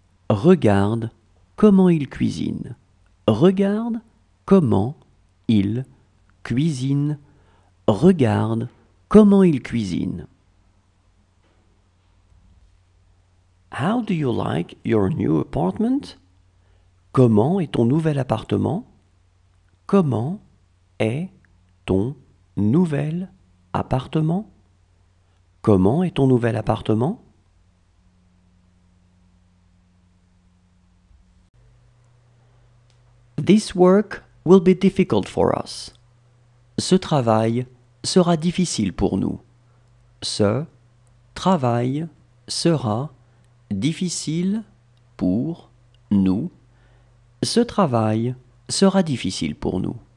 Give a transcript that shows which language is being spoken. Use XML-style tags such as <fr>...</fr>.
<fr>Regarde comment il cuisine. Regarde comment il cuisine. Regarde comment il cuisine.</fr> <en>How do you like your new apartment?</en> <fr>Comment est ton nouvel appartement? Comment est ton nouvel appartement? Comment est ton nouvel appartement?</fr> <en>This work will be difficult for us.</en> <fr>Ce travail sera difficile pour nous. Ce travail sera difficile pour nous. Ce travail sera difficile pour nous.</fr>